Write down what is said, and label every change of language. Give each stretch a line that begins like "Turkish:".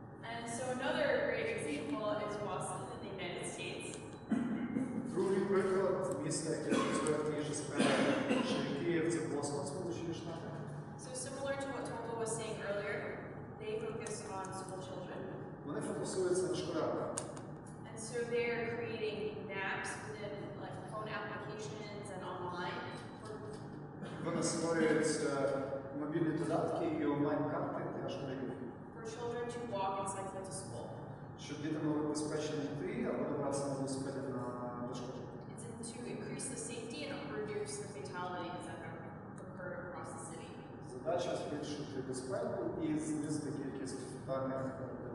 English: And so another great example is Boston in the United States.
Ukrainian: Другий приклад – місто, яке працює в тій же сфері, що і Київ, це Boston, Сполучені Штати.
English: So similar to what Toto was saying earlier, they focus on school children.
Ukrainian: Вони фокусуються на школах.
English: And so they're creating maps within like phone applications and online.
Ukrainian: Вони створюють мобільні додатки і онлайн-карти для школярів.
English: For children to walk and cycle to school.
Ukrainian: Щоб діти могли безпечно йти або добратися на велосипеді на дошку.
English: It's to increase the safety and reduce the fatalities that occur across the city.
Ukrainian: Задача збільшити безпеку і знизити кількість фатальних випадків.